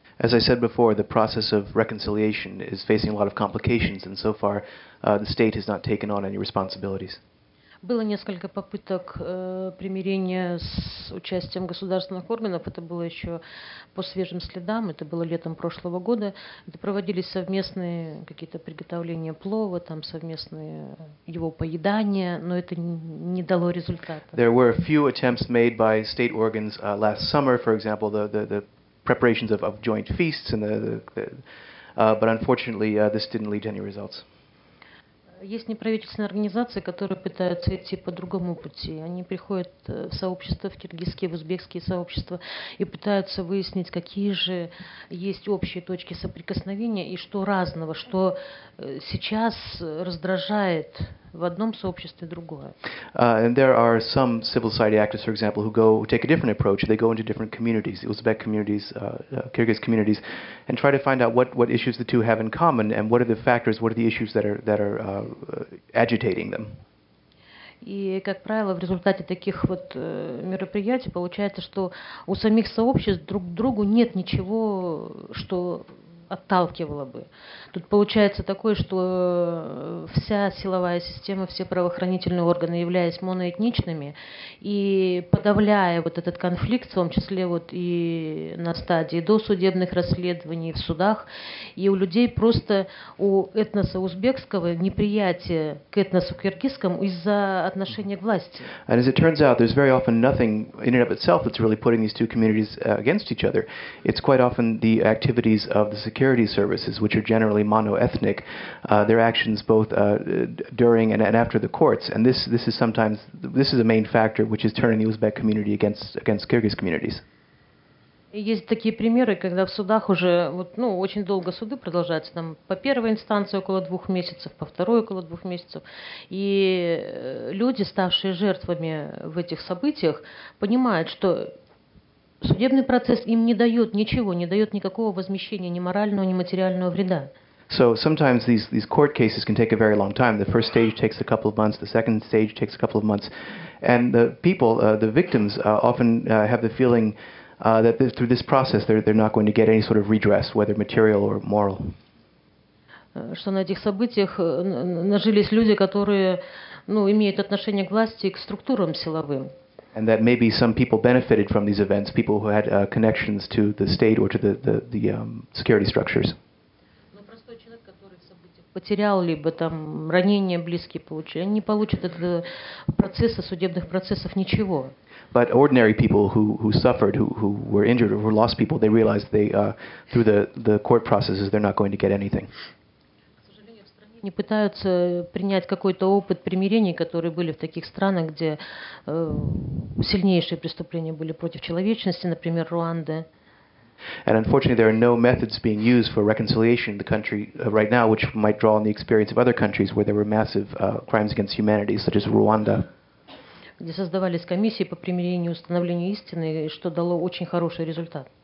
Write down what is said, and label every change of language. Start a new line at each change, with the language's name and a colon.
English: As I said before, the process of reconciliation is facing a lot of complications, and so far the state has not taken on any responsibilities.
Russian: Было несколько попыток примирения с участием государственных органов. Это было еще по свежим следам. Это было летом прошлого года. Это проводились совместные какие-то приготовления плова, там совместные его поедания, но это не дало результата.
English: There were a few attempts made by state organs last summer, for example, the preparations of joint feasts, and but unfortunately this didn't lead to any results.
Russian: Есть неправительственные организации, которые пытаются идти по другому пути. Они приходят в сообщества, в киргизские, в узбекские сообщества, и пытаются выяснить, какие же есть общие точки соприкосновения и что разного, что сейчас раздражает в одном сообществе другое.
English: And there are some civil society actors, for example, who take a different approach. They go into different communities, Uzbek communities, Kyrgyz communities, and try to find out what issues the two have in common and what are the factors, what are the issues that are agitating them.
Russian: И, как правило, в результате таких вот мероприятий получается, что у самих сообществ друг к другу нет ничего, что отталкивало бы. Тут получается такое, что вся силовая система, все правоохранительные органы, являясь моноэтничными и подавляя вот этот конфликт, в том числе вот и на стадии досудебных расследований, в судах, и у людей просто у этноса узбекского неприятие к этносу киргизскому из-за отношения к власти.
English: And as it turns out, there's very often nothing in and of itself that's really putting these two communities against each other. It's quite often the activities of the security services, which are generally mono-ethnic, their actions both during and after the courts, and this is a main factor which is turning the Uzbek community against Kyrgyz communities.
Russian: Есть такие примеры, когда в судах уже очень долго суды продолжаются, там по первой инстанции около 2 месяцев, по второй около 2 месяцев, и люди, ставшие жертвами в этих событиях, понимают, что судебный процесс им не дает ничего, не дает никакого возмещения, ни морального, ни материального вреда.
English: So sometimes these court cases can take a very long time. The first stage takes a couple of months, the second stage takes a couple of months, and the people, the victims, often have the feeling that through this process they're not going to get any sort of redress, whether material or moral.
Russian: Что на этих событиях нажились люди, которые, имеют отношение к власти и к структурам силовым.
English: And that maybe some people benefited from these events, people who had connections to the state or to the security structures.
Russian: Но простой человек, который в событиях потерял либо там ранения близкие получил, они не получат от процесса судебных процессов ничего.
English: But ordinary people who suffered, who were injured or who lost people, they realized they through the court processes they're not going to get anything.
Russian: Не пытаются принять какой-то опыт примирений, которые были в таких странах, где сильнейшие преступления были против человечности, например, Руанда.
English: And unfortunately, there are no methods being used for reconciliation in the country right now, which might draw on the experience of other countries where there were massive crimes against humanity, such as Rwanda.
Russian: Где создавались комиссии по примирению и установлению истины, что дало очень хороший результат.